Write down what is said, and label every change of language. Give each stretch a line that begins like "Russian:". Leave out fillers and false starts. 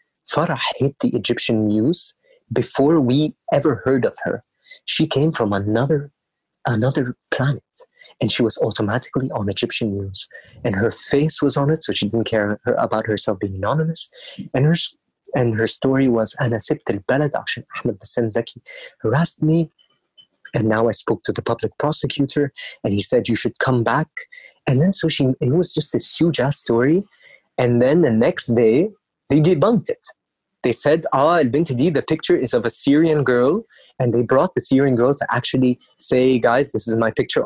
English: Farah hit the Egyptian news before we ever heard of her. She came from another planet, and she was automatically on Egyptian news. And her face was on it, so she didn't care about herself being anonymous.
Arabic: And her story was, أنا سبت البلد عشان أحمد بسام زكي
English: harassed me. And now I spoke to the public prosecutor and he said, you should come back. And then it was just this huge ass story. And then the next day, they debunked it. They said, the picture is of a Syrian girl. And they brought the Syrian girl to actually say, guys, this is my picture.